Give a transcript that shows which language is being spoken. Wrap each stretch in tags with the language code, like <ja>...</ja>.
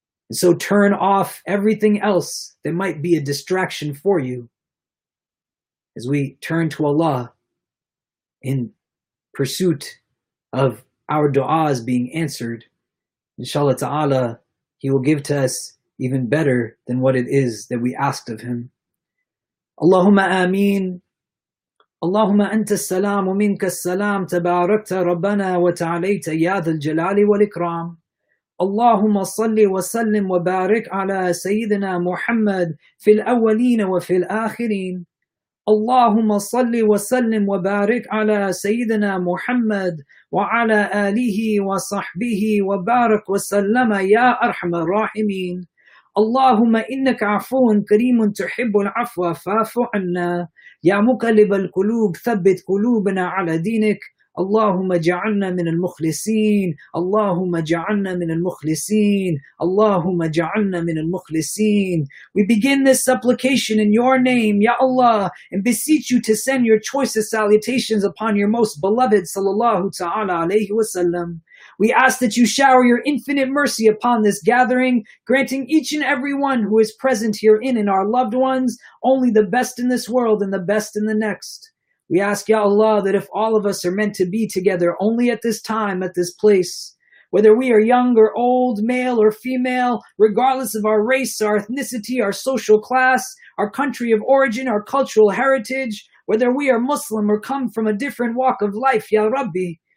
<en>And so turn off everything else that might be a distraction for you as we turn to Allah in pursuit of our du'as being answered. Inshallah ta'ala, He will give to us even better than what it is that we asked of Him. Allahumma ameen.</en> <ar>اللهم أنت السلام ومنك السلام تباركت ربنا وتعاليت يا ذا الجلال والإكرام اللهم صل وسلم وبارك على سيدنا محمد في الأولين وفي الآخرين اللهم صل وسلم وبارك على سيدنا محمد وعلى آله وصحبه وبارك وسلم يا أرحم الراحمين اللهم إنك عفو كريم تحب العفو فاعف عنا يا مقلب القلوب ثبت قلوبنا على دينك اللهم اجعلنا من المخلصين</ar> <en>اللهم اجعلنا من المخلصين اللهم اجعلنا من المخلصين We begin this supplication in your name, Ya Allah, and beseech you to send your choicest salutations upon your most beloved sallallahu ta'ala alayhi wa sallam. We ask that you shower your infinite mercy upon this gathering, granting each and every one who is present herein and our loved ones only the best in this world and the best in the next. We ask, Ya Allah, that if all of us are meant to be together only at this time, at this place, whether we are young or old, male or female, regardless of our race, our ethnicity, our social class, our country of origin, our cultural heritage, whether we are Muslim or come from a different walk of life, Ya Rabbi,</en>